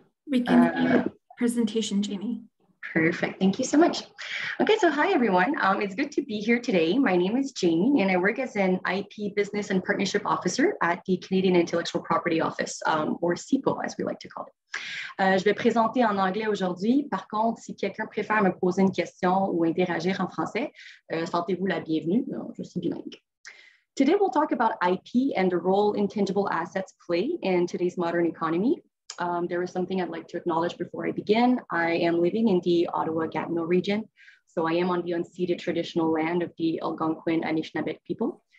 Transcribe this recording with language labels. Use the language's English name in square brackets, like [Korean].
[English] We can hear the presentation, Jamie. Perfect. Thank you so much. Okay, so hi, everyone. It's good to be here today. My name is Jamie, and I work as an IP Business and Partnership Officer at the Canadian Intellectual Property Office, or CIPO, as we like to call it. [French] Je vais présenter en anglais aujourd'hui. Par contre, si quelqu'un préfère me poser une question ou interagir en français, sentez-vous la bienvenue. Non, je suis bilingue. [English] Today, we'll talk about IP and the role intangible assets play in today's modern economy. There is something I'd like to acknowledge before I begin. I am living in the Ottawa-Gatineau region, so I am on the unceded traditional land of the Algonquin Anishinaabeg people.